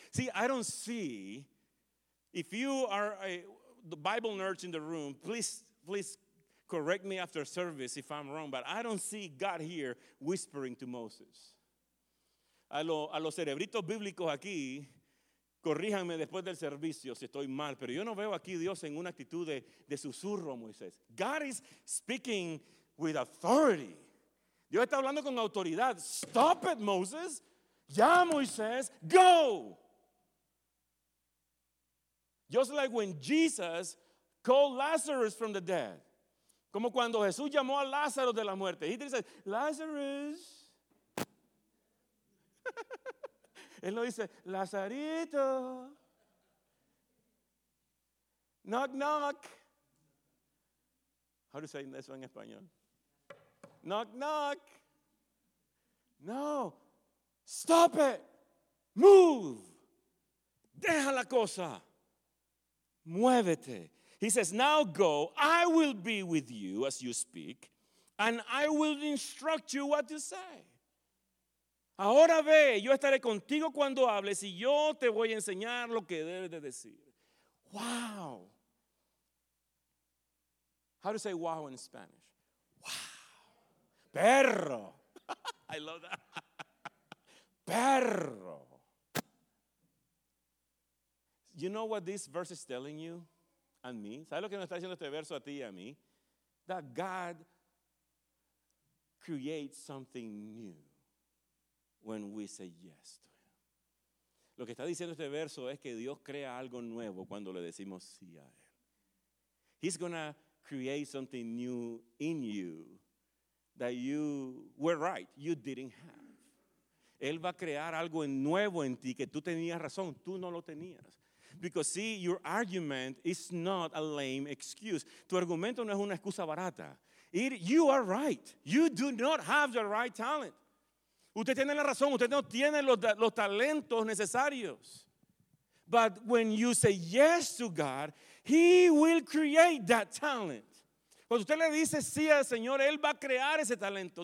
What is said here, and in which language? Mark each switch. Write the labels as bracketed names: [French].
[English] See, I don't see, if you are the Bible nerds in the room, please correct me after service if I'm wrong, but I don't see God here whispering to Moses. [Spanish] A los cerebritos bíblicos aquí, corríjanme después del servicio si estoy mal, pero yo no veo aquí Dios en una actitud de susurro, Moisés. [English] God is speaking with authority. [Spanish] Dios está hablando con autoridad. [English] Stop it, Moses. [Spanish] Ya, Moisés. [English] Go. Just like when Jesus called Lazarus from the dead. [Spanish] Como cuando Jesús llamó a Lázaro de la muerte. [English] He said, Lazarus. [Spanish] Él no dice, Lazarito. [English] Knock, knock. How do you say [Spanish] eso en español? [English] Knock, knock. No. Stop it. Move. [Spanish] Deja la cosa. Muévete. [English] He says, now go. I will be with you as you speak, and I will instruct you what to say. [Spanish] Ahora ve. Yo estaré contigo cuando hables, y yo te voy a enseñar lo que debes de decir. [English] Wow. How do you say wow in Spanish? Wow. Perro. I love that. Perro. You know what this verse is telling you and me? [Spanish] ¿Sabes lo que nos está diciendo este verso a ti y a mí? [English] That God creates something new when we say yes to Him. [Spanish] Lo que está diciendo este verso es que Dios crea algo nuevo cuando le decimos sí a Él. [English] He's going to create something new in you that you were right, you didn't have. [Spanish] Él va a crear algo nuevo en ti que tú tenías razón, tú no lo tenías. [English] Because see, your argument is not a lame excuse. [Spanish] Tu argumento no es una excusa barata. [English] You are right. You do not have the right talent. [Spanish] Usted tiene la razón, usted no tiene los talentos necesarios. [English] But when you say yes to God, He will create that talent. [Spanish] Cuando usted le dice sí al Señor, Él va a crear ese talento.